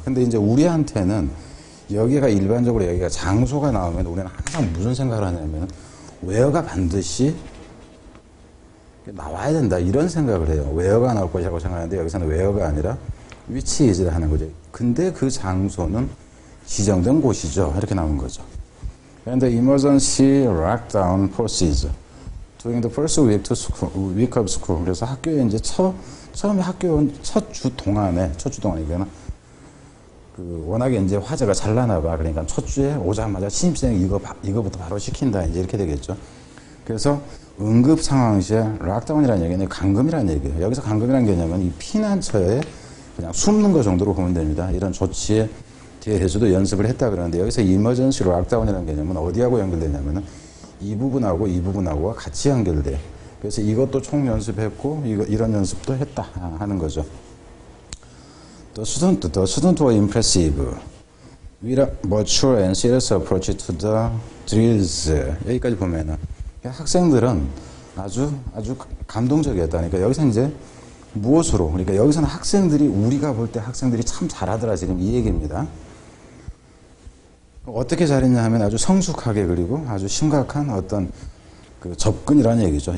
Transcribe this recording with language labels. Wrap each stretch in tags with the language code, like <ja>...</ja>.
<ko>근데 이제 우리한테는 여기가 일반적으로 여기가 장소가 나오면 우리는 항상 무슨 생각을 하냐면 where가 반드시 나와야 된다 이런 생각을 해요. where가 나올 것이라고 생각하는데 여기서는 where가 아니라 which is를 하는 거죠. 근데 그 장소는 지정된 곳이죠. 이렇게 나오는 거죠.</ko> <en>And the emergency lockdown forces during the first week, to school, week of school.</en> <ko>그래서 학교에 이제 처음에 학교 온 첫 주 동안에, 이거는 그 워낙에 이제 화제가 잘 나나 봐. 그러니까 첫 주에 오자마자 신입생 이거부터 바로 시킨다. 이제 이렇게 되겠죠. 그래서 응급 상황시에 lockdown이라는 얘기는 감금이라는 얘기예요. 여기서 감금이라는 개념은 이 피난처에 그냥 숨는 것 정도로 보면 됩니다. 이런 조치에 대해서도 연습을 했다 그러는데 여기서 emergency lockdown이라는 개념은 어디하고 연결되냐면은 이 부분하고 이 부분하고가 같이 연결돼. 그래서 이것도 총 연습했고 이런 연습도 했다 하는 거죠.</ko> <en>The student were impressive. With a mature and serious approach to the drills.</en> <ko>여기까지 보면은 학생들은 아주 감동적이었다. 그러니까 여기서 이제 무엇으로? 그러니까 여기서는 학생들이 우리가 볼 때 학생들이 참 잘하더라 지금 이 얘기입니다. 어떻게 잘했냐 하면 아주 성숙하게 그리고 아주 심각한 어떤 그 접근이라는 얘기죠.</ko>